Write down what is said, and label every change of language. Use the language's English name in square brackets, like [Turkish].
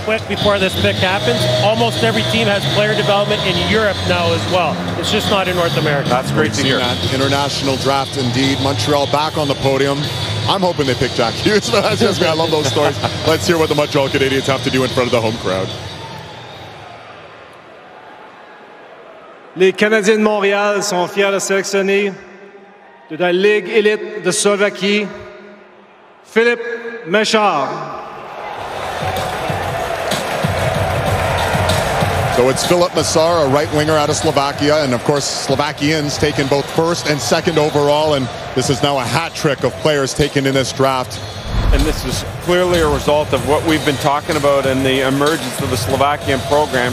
[English] Real quick before this pick happens, almost every team has player development in Europe now as well. It's just not in North America. That's great to hear. That. International draft indeed. Montreal back on the podium. I'm hoping they pick Jack Hughes. Just me. I love those stories. Let's hear what the Montreal Canadiens have to do in front of the home crowd. [French] Les Canadiens de Montréal sont fiers de sélectionner de la Ligue élite de Slovaquie, Philippe Méchard. [English] So it's Philip Massar, a right winger out of Slovakia, and of course Slovakians taken both first and second overall, and this is now a hat trick of players taken in this draft. And this is clearly a result of what we've been talking about and the emergence of the Slovakian program.